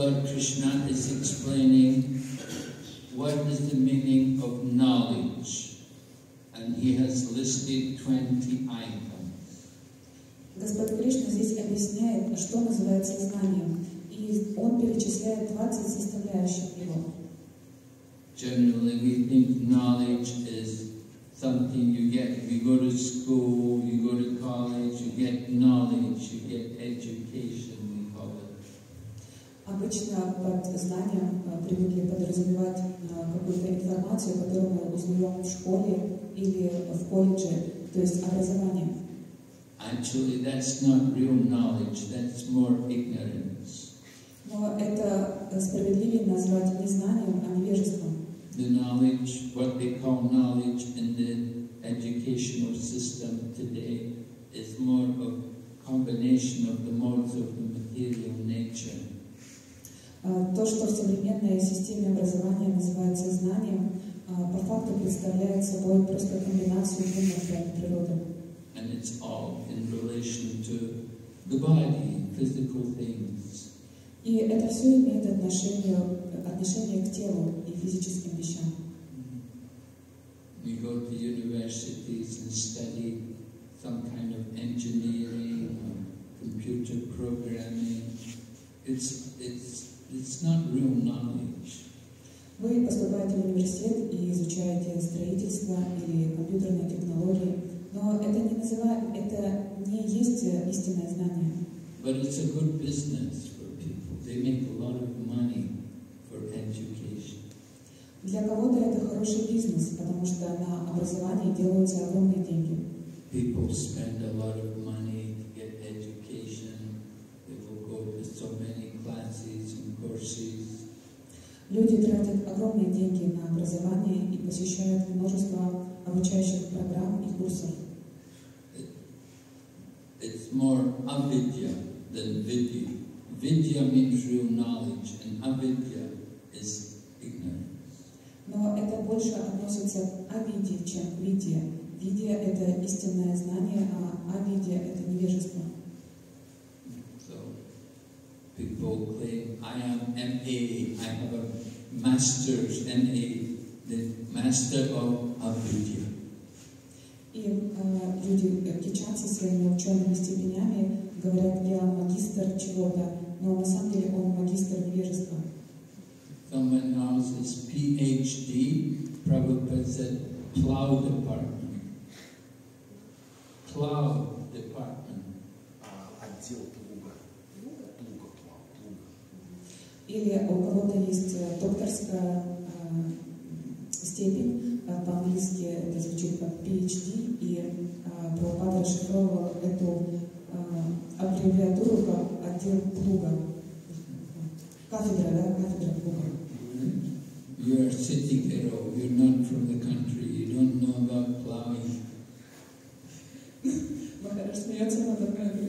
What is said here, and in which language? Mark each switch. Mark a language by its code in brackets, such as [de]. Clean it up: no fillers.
[en] Krishna is explaining what is the meaning of knowledge, and he has listed 20 items. [ru] Господь Кришна здесь объясняет, что называется знанием, и он перечисляет 20 составляющих его. [en] Generally, we think knowledge is something you get. You go to school, you go to college, you get knowledge, you get education. [ru] Обычно под знанием привыкли подразумевать какую-то информацию, которую мы узнаем в школе или в колледже, то есть образование. [en] Actually, that's not real knowledge. That's more ignorance. [ru] Но это справедливее назвать незнанием, а невежеством. [en] The knowledge, what they call knowledge in the educational system today, is more of combination of the modes of the material nature. [ru] То, что в современной системе образования называется знанием, по факту представляет собой просто комбинацию двух природы. [en] And it's all in relation to the body, physical things. [ru] И это все имеет отношение к телу и физическим вещам. [en] We go to universities and study some kind of engineering, computer programming. It's not real knowledge. [ru] Вы поступаете в университет и изучаете строительство или компьютерные технологии, но это не называет, это не есть истинное знание. [en] But it's a good business for people. They make a lot of money for education. [ru] Для кого-то это хороший бизнес, потому что на образование делаются огромные деньги. [en] People spend a lot of money to get education. They will go to so many classes and courses. [ru] Люди тратят огромные деньги на образование и посещают множество обучающих программ и курсов. [en] It's more avidya than vidya. Vidya means real knowledge, and avidya is ignorance. [ru] Но это больше относится к авидье, чем к видье. Видья — это истинное знание, а авидья — это невежество. [en] So, people claim, I am MA, I have a master's MA, the master of avidya. [ru] И люди кичатся своими учеными степенями, говорят, я магистр чего-то, но на самом деле он магистр невежества. [en] Someone knows his PhD, Prabhupada said, plow department. Plow department. [ru] Отдел плуга. Плуга, плав, плуга. Или у кого-то есть докторская степень, по-английски это звучит как PhD, и Прабхупада расшифровал эту аббревиатуру как отдел плуга. Кафедра, да? Кафедра плуга. [en] You are city girl, you're not from the country, you don't know about plowing.